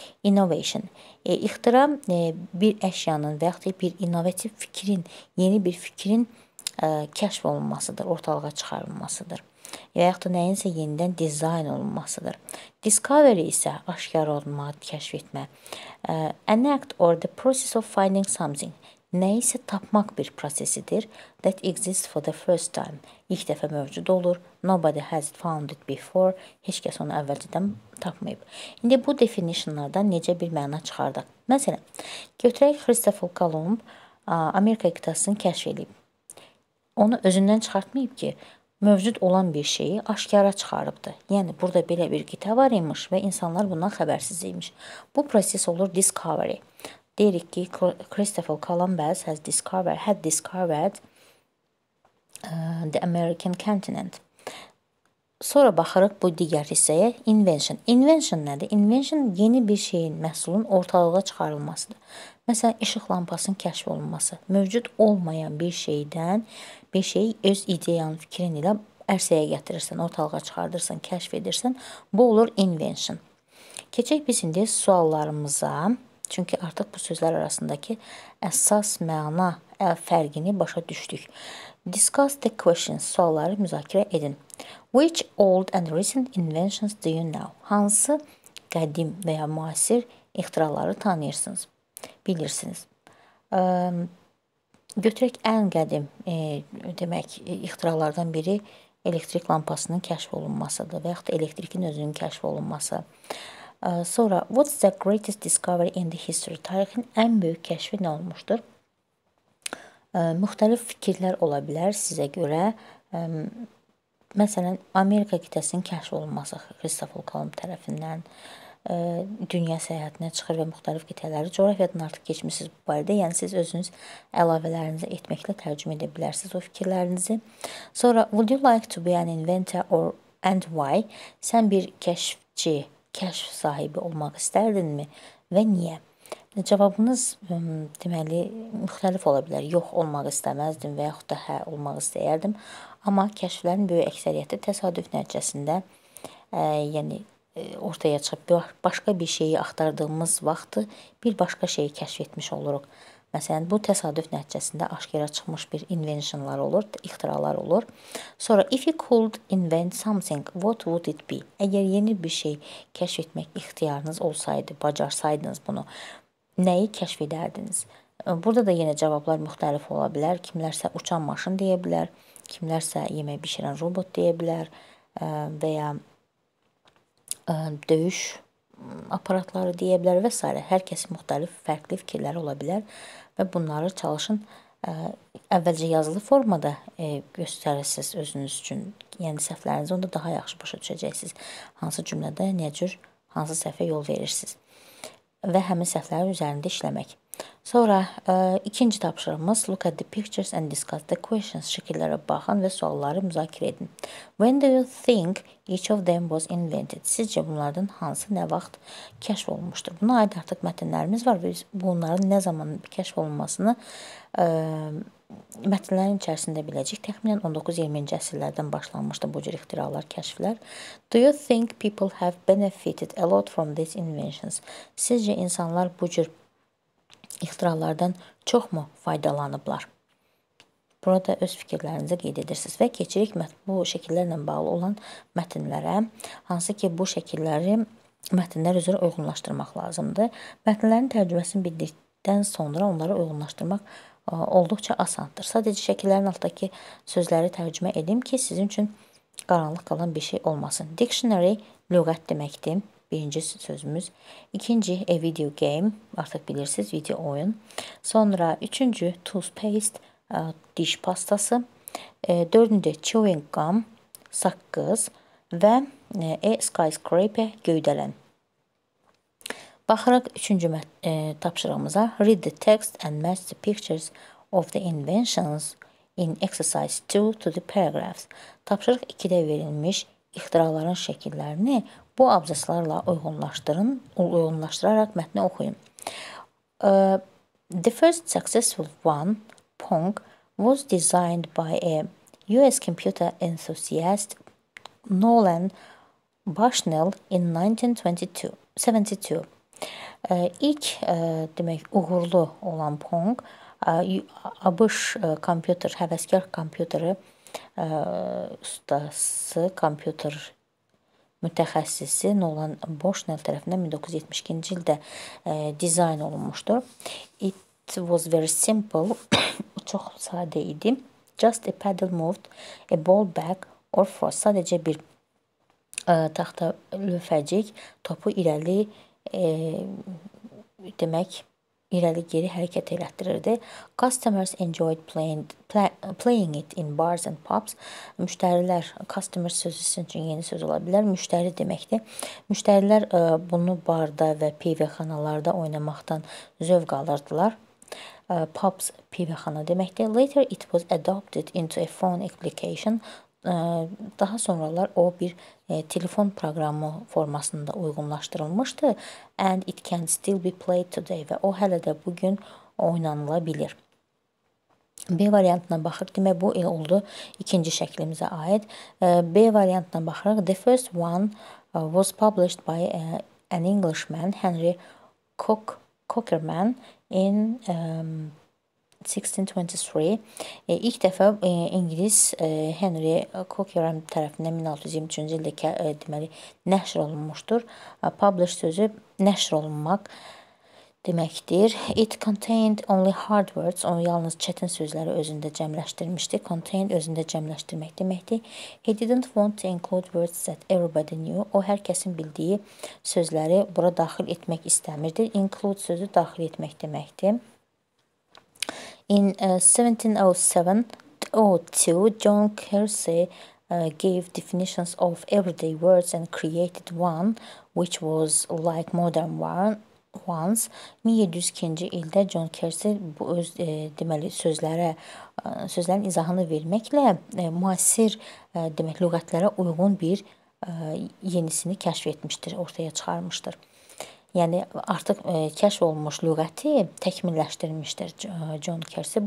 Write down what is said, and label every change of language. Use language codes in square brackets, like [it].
[az] Innovation, ixtira bir əşyanın və yaxud bir innovativ fikrin, yeni bir fikrin kəşf olunmasıdır, ortalığa çıxarılmasıdır. Və yaxud da nəyinsə yenidən dizayn olunmasıdır. Discovery isə aşkar olmaq, kəşf etmə. [en] An act or the process of finding something. [az] Nə isə tapmaq bir prosesidir [en] that exists for the first time. [az] İlk dəfə mövcud olur. [en] Nobody has found it before. [az] Heç kəs onu əvvəlcədən tapmayıb. İndi bu definitionlardan necə bir məna çıxardaq? Məsələn, götürək Christopher Columb Amerika qitasını kəşf edib. Onu özündən çıxartmayıb ki, mövcud olan bir şeyi aşkara çıxarıbdır. Yəni, burada belə bir qita var imiş və insanlar bundan xəbərsiz imiş. Bu proses olur discovery. Deyirik ki, [en] Christopher Columbus had discovered the American continent. [az] Sonra baxırıq bu digər hissəyə, invention. Invention nədir? Invention yeni bir şeyin, məhsulun ortalığa çıxarılmasıdır. Məsələn, işıq lampasının kəşf olunması. Mövcud olmayan bir şeydən bir şey öz ideyanın fikrin ilə ərsəyə gətirirsən, ortalığa çıxardırsan, kəşf edirsən. Bu olur invention. Keçək biz indi suallarımıza. Çünki artıq bu sözlər arasındakı əsas məna fərqini başa düşdük. [en] Discuss the questions, [az] sualları müzakirə edin. [en] Which old and recent inventions do you know? [az] Hansı qədim və ya müasir ixtiraları tanıyırsınız, bilirsiniz? Götürək ən qədim, demək, ixtiralardan biri elektrik lampasının kəşf olunmasıdır və yaxud da elektrikin özünün kəşf olunması. [en] Sonra, what's the greatest discovery in the history? [az] Tarixin ən böyük kəşfi nə olmuşdur? Müxtəlif fikirlər ola bilər sizə görə. Məsələn, Amerika qitəsinin kəşf olunması Christopher Columb tərəfindən dünya səyahətinə çıxır və müxtəlif qitələri. Coğrafiyadan artıq keçmişsiniz bu barədə, yəni siz özünüz əlavələrinizi etməklə tərcümə edə bilərsiniz o fikirlərinizi. [en] Sonra, would you like to be an inventor or and why? [az] Sən bir kəşfçi, kəşf sahibi olmaq istərdinmi və niyə? Cavabınız, deməli, müxtəlif ola bilər. Yox, olmaq istəməzdim və yaxud da hə, olmaq istəyərdim. Amma kəşflərin böyük əksəriyyəti təsadüf nəticəsində, yəni, ortaya çıxıb başqa bir şeyi axtardığımız vaxtı bir başqa şeyi kəşf etmiş oluruq. Məsələn, bu təsadüf nəticəsində aşkara çıxmış bir inventionlar olur, ixtiralar olur. [en] Sonra, if you could invent something, what would it be? [az] Əgər yeni bir şey kəşf etmək ixtiyarınız olsaydı, bacarsaydınız bunu, nəyi kəşf edərdiniz? Burada da yenə cavablar müxtəlif ola bilər. Kimlərsə uçan maşın deyə bilər, kimlərsə yemək bişirən robot deyə bilər və ya döyüş aparatları deyə bilər və s. Hər kəsin müxtəlif, fərqli fikirləri ola bilər və bunları çalışın əvvəlcə yazılı formada göstərirsiniz özünüz üçün, yəni səhvlərinizi onda daha yaxşı başa düşəcəksiniz, hansı cümlədə, nə cür, hansı səhvə yol verirsiniz və həmin səhvlərin üzərində işləmək. Sonra ikinci tapşırımız, [en] look at the pictures and discuss the questions, [az] şəkillərə baxın və sualları müzakirə edin. [en] When do you think each of them was invented? [az] Sizcə bunlardan hansı nə vaxt kəşf olunmuşdur? Buna aid artıq mətnlərimiz var, biz bunların nə zaman kəşf olunmasını mətnlərin içərisində biləcək. Təxminən 19-20-ci əsrlərdən başlanmışdır bu cür ixtiralar, kəşflər. [en] Do you think people have benefited a lot from these inventions? [az] Sizcə insanlar bu cür İxtirallardan çox mu faydalanıblar? Burada öz fikirlərinizi qeyd edirsiniz və keçirik bu şəkillərlə bağlı olan mətnlərə, hansı ki bu şəkilləri mətnlər üzrə uyğunlaşdırmaq lazımdır. Mətnlərin tərcüməsini bildikdən sonra onları uyğunlaşdırmaq olduqca asandır. Sadəcə şəkillərin altdakı sözləri tərcümə edim ki, sizin üçün qaranlıq qalan bir şey olmasın. Dictionary lüğət deməkdir. Birinci sözümüz. İkinci, [en] a video game. [az] Artıq bilirsiniz, video oyun. Sonra, üçüncü, toothpaste, diş pastası. Dördüncü, chewing gum, saqqız. Və a skyscraper, göydələn. Baxırıq üçüncü tapşırığımıza. [en] Read the text and match the pictures of the inventions in exercise 2 to the paragraphs. [az] Tapşırıq 2-də verilmiş ixtiraların şəkillərini bu abzaslarla uyğunlaşdıraraq mətni oxuyun. [en] The first successful one, Pong, was designed by a US computer enthusiast Nolan Bushnell in 1972. [az] İlk demək uğurlu olan Pong ABŞ kompüter həvəskar kompüteri ustası kompüter mütəxəssisi Nolan Bushnell tərəfindən 1972-ci ildə dizayn olunmuşdur. [en] It was very simple. [az] Çox sadə idi. [en] Just a paddle moved, a ball back or forth. [az] Sadəcə bir taxta lövhəcik topu irəli demək irəli geri hərəkət elətdirirdi. [en] Customers enjoyed playing it in bars and pubs. [az] Müştərilər, customer sözü sizin üçün yeni söz ola bilər. Müştəri deməkdir. Müştərilər bunu barda və pivəxanalarda oynamaqdan zövq alırdılar. Pubs pivəxana deməkdir. [en] Later it was adopted into a phone application. [az] Daha sonralar o bir telefon proqramı formasında uyğunlaşdırılmışdı [en] and it can still be played today [az] və o hələ də bugün oynanıla bilir. B variantına baxırıq, demək bu il oldu ikinci şəklimizə aid. B variantına baxırıq, [en] the first one was published by an Englishman, Henry Cockerman in 1623. [az] İlk dəfə İngiliz Henry Cockerham tərəfindən 1623-cü ildə deməli nəşr olunmuşdur. Publish sözü nəşr olunmaq deməkdir. [en] It contained only hard words, [az] onu yalnız çətin sözləri özündə cəmləşdirmişdi. Contained özündə cəmləşdirmək deməkdir. [en] He didn't want to include words that everybody knew. [az] O, hər kəsin bildiyi sözləri bura daxil etmək istəmirdi. Include sözü daxil etmək deməkdir. [en] In 1707-02, John Kersey gave definitions of everyday words and created one which was like modern ones. [az] 1702-ci ildə John Kersey bu öz deməli sözlərin izahını verməklə müasir demək lüğətlərə uyğun bir yenisini kəşf etmişdir, ortaya çıxarmışdır. Yəni, artıq kəşf olmuş lüğəti təkmilləşdirilmişdir John Kersey.